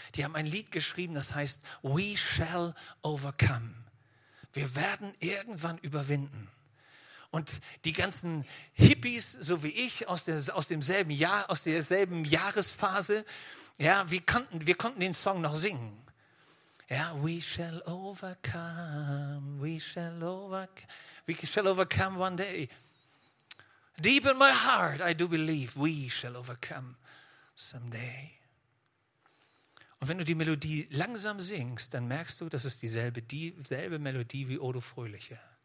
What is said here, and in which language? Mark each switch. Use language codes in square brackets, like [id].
[de] Die haben ein Lied geschrieben, das heißt We Shall Overcome. Wir werden irgendwann überwinden. Und die ganzen Hippies, so wie ich, aus derselben Jahresphase, ja, wir konnten den Song noch singen. [en] Ja, we shall overcome, we shall overcome, we shall overcome one day. Deep in my heart, I do believe we shall overcome someday. [de] Und wenn du die Melodie langsam singst, dann merkst du, das ist dieselbe Melodie wie Odo Fröhliche.